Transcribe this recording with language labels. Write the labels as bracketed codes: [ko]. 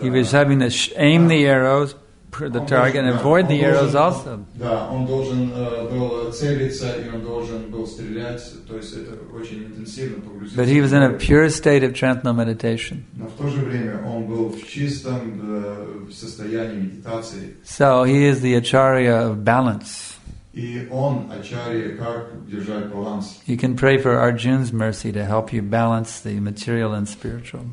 [en] He was having to aim the arrows for the target and avoid the arrows also. [ru] Да, он должен был целиться, и он должен был стрелять, то есть это очень интенсивно погрузился. [en] But he was in a pure state of transcendental meditation. [ru] Но в то же время он был в чистом состоянии медитации. [en] So he is the acharya of balance. [ru] И он ачарья, как держать баланс. [en] You can pray for Arjuna's mercy to help you balance the material and spiritual.